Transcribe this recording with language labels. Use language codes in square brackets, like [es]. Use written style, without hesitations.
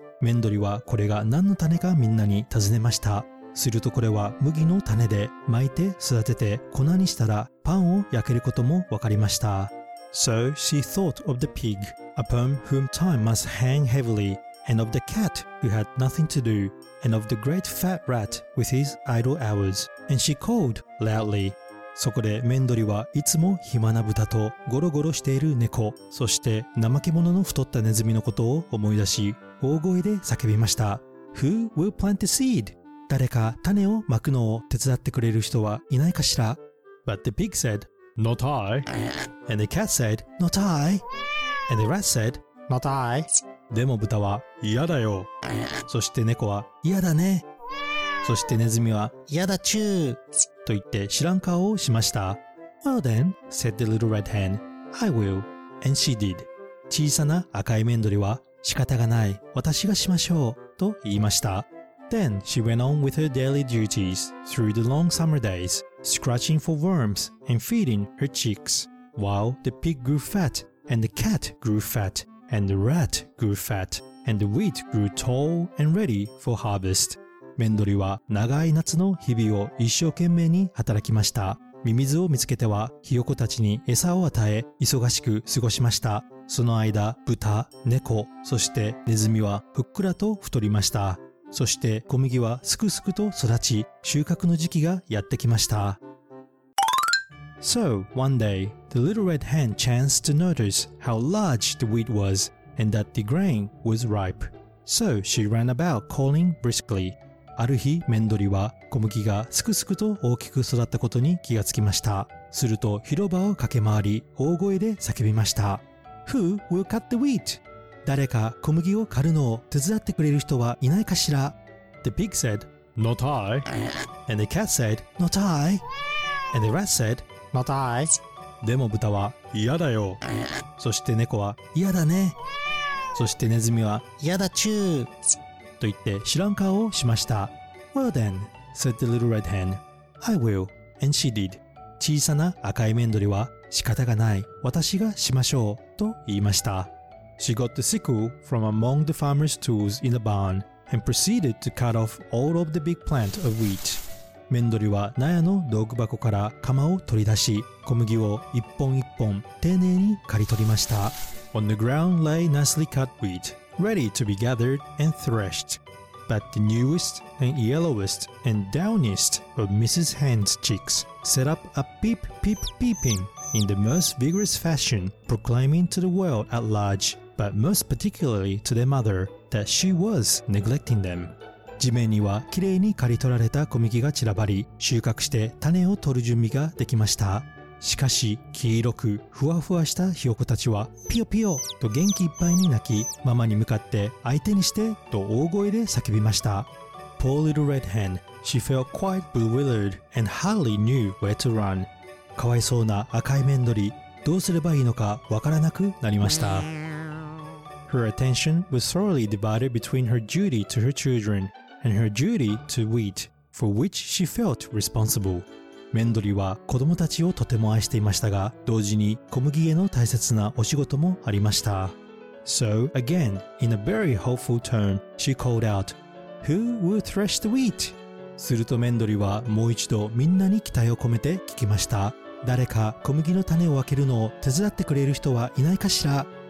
[ja] メンドリはこれが何の種かみんなに尋ねました。するとこれは麦の種で、巻いて育てて粉にしたらパンを焼けることも分かりました。 [en] So she thought of the pig, upon whom time must hang heavily, and of the cat who had nothing to do, and of the great fat rat with his idle hours, and she called loudly. [ja] そこでメンドリはいつも暇な豚とゴロゴロしている猫、そして怠け者の太ったネズミのことを思い出し、大声で叫びました。 [en] Who will plant the seed? [ja] 誰か種をまくのを手伝ってくれる人はいないかしら。 [en] But the pig said, Not I. And the cat said, Not I. And the rat said, Not I. [ja] でも豚は、嫌だよ。そして猫は、嫌だね。そしてネズミは、嫌だちゅーと言って知らん顔をしました。 [en] Well then, said the little red hen, I will. And she did. [ja] 小さな赤いメンドリは、仕方がない、私がしましょう、と言いました。 [en] Then she went on with her daily duties through the long summer days, scratching for worms and feeding her chicks, while the pig grew fat, and the cat grew fat, and the rat grew fat, and the wheat grew tall and ready for harvest. [ja] メンドリは長い夏の日々を一生懸命に働きました。ミミズを見つけてはひよこたちに餌を与え忙しく過ごしました。その間、豚、猫、そしてネズミはふっくらと太りました。そして小麦はすくすくと育ち、収穫の時期がやってきました。 [en] So, one day, the little red hen chanced to notice how large the wheat was and that the grain was ripe. So, she ran about calling briskly. [ja] ある日、メンドリは小麦がすくすくと大きく育ったことに気がつきました。すると広場を駆け回り、大声で叫びました。 [en] Who will cut the wheat? [ja] 誰か小麦を刈るのを手伝ってくれる人はいないかしら。 [en] The pig said, Not I. And the cat said, Not I. And the rat said, Not I. [ja] でも豚は、嫌だよ。そして猫は、嫌だね。そしてネズミは、嫌だちゅー。と言って知らん顔をしました。 [en] Well then, said the little red hen. I will, and she did. [ja] 小さな赤い面鳥は仕方がない、私がしましょうと言いました。 [en] She got the sickle from among the farmer's tools in the barn and proceeded to cut off all of the big plant of wheat. [ja] 面鳥は納屋の道具箱から釜を取り出し、小麦を一本一本丁寧に刈り取りました。 [en] On the ground lay nicely cut wheat, ready to be gathered and threshed. But the newest and yellowest and downiest of Mrs. Hen's chicks set up a peep peep peeping in the most vigorous fashion, proclaiming to the world at large, but most particularly to their mother, that she was neglecting them. [ja] 地面にはきれいに刈り取られた小麦が散らばり、収穫して種を取る準備ができました。しかし黄色くふわふわしたひよこたちはピヨピヨと元気いっぱいに泣き、ママに向かって相手にしてと大声で叫びました。 [en] Poor little red hen, she felt quite bewildered and hardly knew where to run. [ja] かわいそうな赤い面鳥、どうすればいいのかわからなくなりました。 [en] Her attention was thoroughly divided between her duty to her children and her duty to wheat, for which she felt responsible. [ja] メンドリは子供たちをとても愛していましたが、同時に小麦への大切なお仕事もありました。 [en] So again, in a very hopeful tone, she called out, Who will thresh the wheat? [ja] するとメンドリはもう一度みんなに期待を込めて聞きました。誰か小麦の種を分けるのを手伝ってくれる人はいないかしら?